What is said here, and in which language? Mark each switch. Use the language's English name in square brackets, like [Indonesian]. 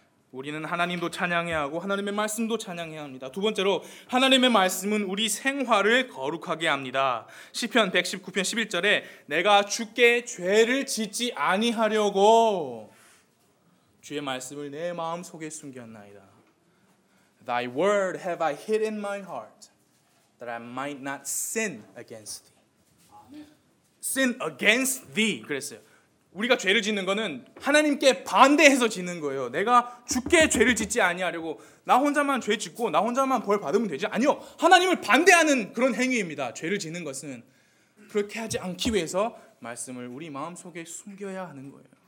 [Korean] 우리는 하나님도 찬양해야 하고 하나님의 말씀도 찬양해야 합니다. 두 번째로, 하나님의 말씀은 우리 생활을 거룩하게 합니다. 시편 119편 11절에 내가 주께 죄를 짓지 아니하려고, 주의 말씀을 내 마음 속에 숨겼나이다. [English] Thy word have I hid in my heart, that I might not sin against thee. Sin against thee. 그랬어요. [Korean] 우리가 죄를 짓는 거는 하나님께 반대해서 짓는 거예요. 내가 주께 죄를 짓지 아니하려고 나 혼자만 죄 짓고 나 혼자만 벌 받으면 되지. 아니요. 하나님을 반대하는 그런 행위입니다. 죄를 짓는 것은. 그렇게 하지 않기 위해서 말씀을 우리 마음속에 숨겨야 하는 거예요.